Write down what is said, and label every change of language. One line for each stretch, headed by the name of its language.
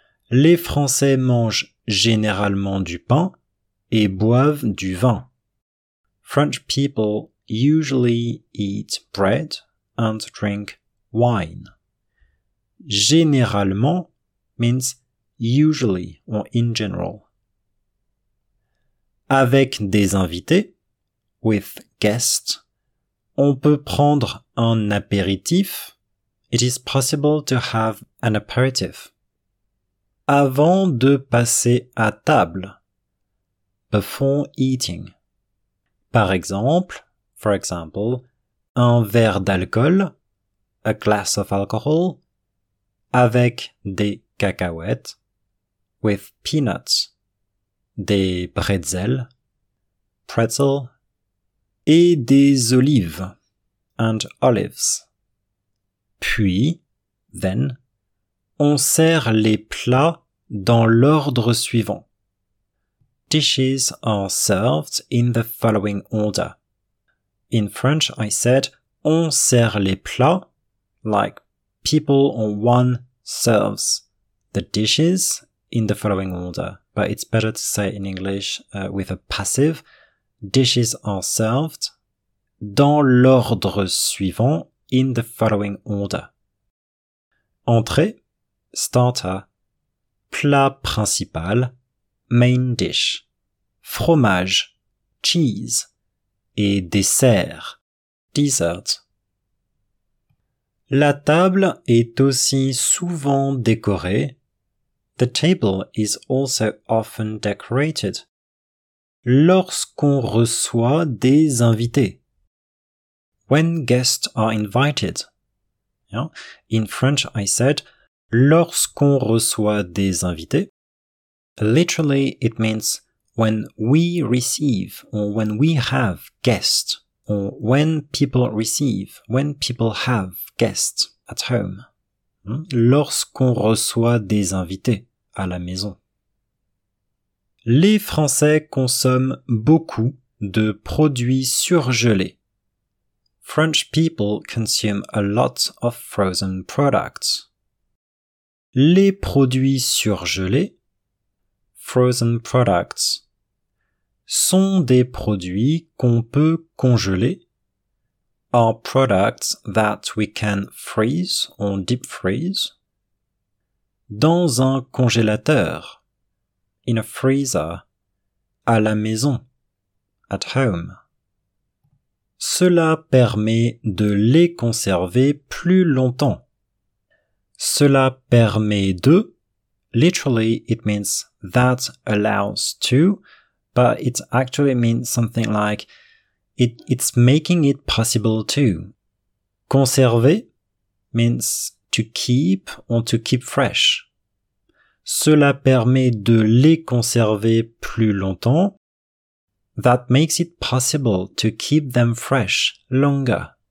French: Les Français mangent généralement du pain et boivent du vin.
English: French people usually eat bread and drink wine. Généralement means usually or in general.
French: Avec des invités,
English: with guests,
French: on peut prendre en apéritif,
English: it is possible to have an aperitif.
French: Avant de passer à table,
English: before eating. For example,
French: un verre d'alcool,
English: a glass of alcohol,
French: avec des cacahuètes,
English: with peanuts,
French: des pretzel, et des olives,
English: and olives.
French: Puis,
English: then,
French: on sert les plats dans l'ordre suivant.
English: Dishes are served in the following order. In French, I said,
French: on sert les plats,
English: like people on one serves the dishes in the following order. But it's better to say in English with a passive. Dishes are served
French: dans l'ordre suivant,
English: in the following order.
French: Entrée,
English: starter.
French: Plat principal,
English: main dish.
French: Fromage,
English: cheese.
French: Et dessert, dessert. La table est aussi souvent décorée.
English: The table is also often decorated.
French: Lorsqu'on reçoit des invités.
English: When guests are invited. Yeah. In French, I said,
French: lorsqu'on reçoit des invités.
English: Literally, it means when we receive, or when we have guests, or when people receive, when people have guests at home.
French: Lorsqu'on reçoit des invités à la maison. Les Français consomment beaucoup de produits surgelés.
English: French people consume a lot of frozen products.
French: Les produits surgelés,
English: frozen products,
French: sont des produits qu'on peut congeler,
English: are products that we can freeze or deep freeze,
French: dans un congélateur,
English: in a freezer,
French: à la maison,
English: at home.
French: Cela permet de les conserver plus longtemps. Cela permet de,
English: literally it means that allows to, but it actually means something like it's making it possible to. Conserver means to keep or to keep fresh.
French: Cela permet de les conserver plus longtemps.
English: That makes it possible to keep them fresh longer.